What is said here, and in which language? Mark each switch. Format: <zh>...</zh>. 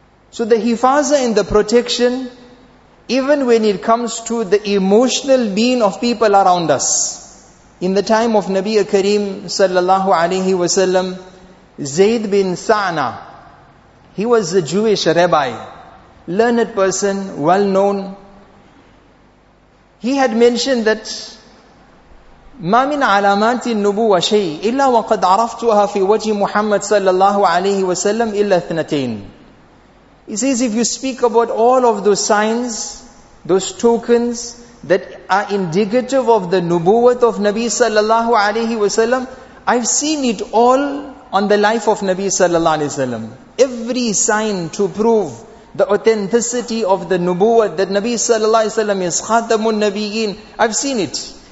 <en>So the hifaza and the protection, even when it comes to the emotional being of people around us, in the time of Nabi Kareem sallallahu alayhi wa sallam, Zaid bin Sa'na, he was a Jewish rabbi, learned person, well known.</en> <ar>He had mentioned that ما من علامات النبوة شيء إلا وقد عرفتها في وجه محمد صلى الله عليه وسلم إلا اثنتين.</ar> <en>He says, if you speak about all of those signs, those tokens that are indicative of the nubuwwat of Nabi sallallahu alayhi wa sallam, I've seen it all on the life of Nabi sallallahu alayhi wa sallam. Every sign to prove the authenticity of the nubuwwat, that Nabi sallallahu alayhi wa sallam is khatamun nabiyyin, I've seen it.</en>